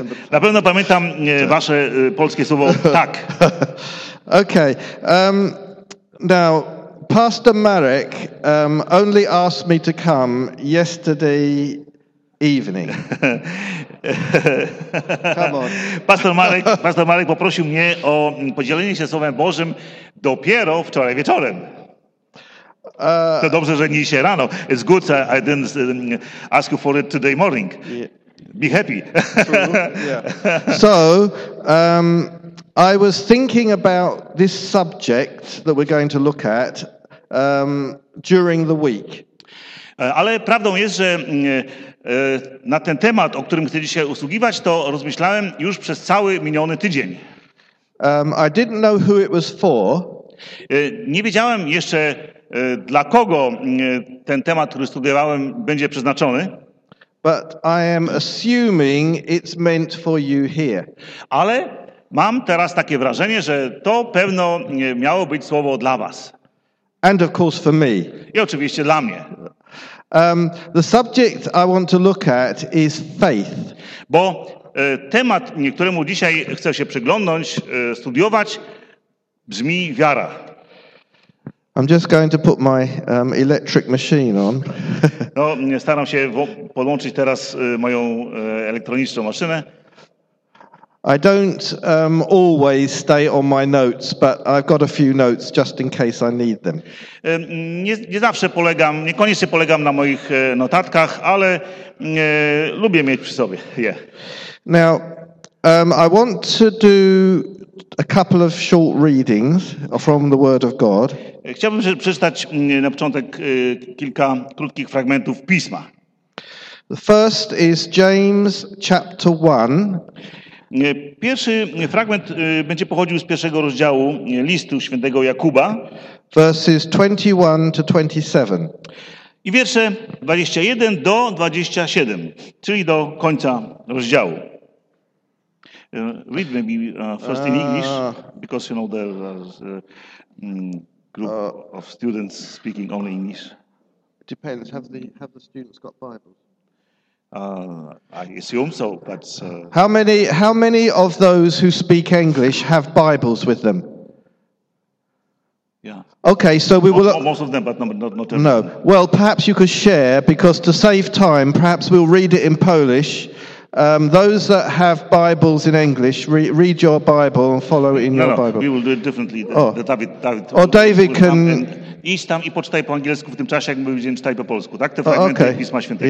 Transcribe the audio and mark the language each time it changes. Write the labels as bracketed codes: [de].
[pl] Na pewno pamiętam wasze polskie słowo tak. [en] Okay. Now, Pastor Marek only asked me to come yesterday evening. Come on. [pl] Pastor Marek poprosił mnie o podzielenie się Słowem Bożym dopiero wczoraj wieczorem. To dobrze, że nie dzisiaj rano. [en] It's good that I didn't ask you for it today morning. Yeah. Be happy. Yeah. So, I was thinking about this subject that we're going to look at during the week. [pl] Ale prawdą jest, że na ten temat, o którym chcę dzisiaj usługiwać, to rozmyślałem już przez cały miniony tydzień. [en] I didn't know who it was for. [pl] Nie wiedziałem jeszcze, dla kogo ten temat, który studiowałem, będzie przeznaczony. [en] But I am assuming it's meant for you here. [pl] Ale mam teraz takie wrażenie, że to pewno miało być słowo dla was. [en] And of course for me. [pl] I oczywiście dla mnie. [en] The subject I want to look at is faith. [pl] Bo temat, któremu dzisiaj chcę się przyglądać, studiować, brzmi wiara. [en] I'm just going to put my electric machine on. [pl] No, staram się podłączyć teraz moją elektroniczną maszynę. [en] I don't always stay on my notes, but I've got a few notes just in case I need them. [pl] Nie zawsze polegam, niekoniecznie polegam na moich notatkach, ale lubię mieć przy sobie je. [en] Now, I want to do a couple of short readings from the Word of God. [pl] Chciałbym przeczytać na początek kilka krótkich fragmentów Pisma. [en] The first is James chapter 1. [pl] Pierwszy fragment będzie pochodził z pierwszego rozdziału listu świętego Jakuba. [en] Verses 21 to 27. [pl] I wiersze 21 do 27, czyli do końca rozdziału. [en] Read maybe first in English, because you know there's a group of students speaking only English. It depends. Have the students got Bibles? I assume so, but how many of those who speak English have Bibles with them? Yeah. Okay, so we will most of them, but not no. Well, perhaps you could share, because to save time, perhaps we'll read it in Polish. Those that have Bibles in English, read your Bible and follow in your Bible. We will do it differently. David can [pl] iść tam i poczytaj po angielsku w tym czasie, jakby będziemy czytali po polsku, tak? Te fragmenty Pisma Świętego.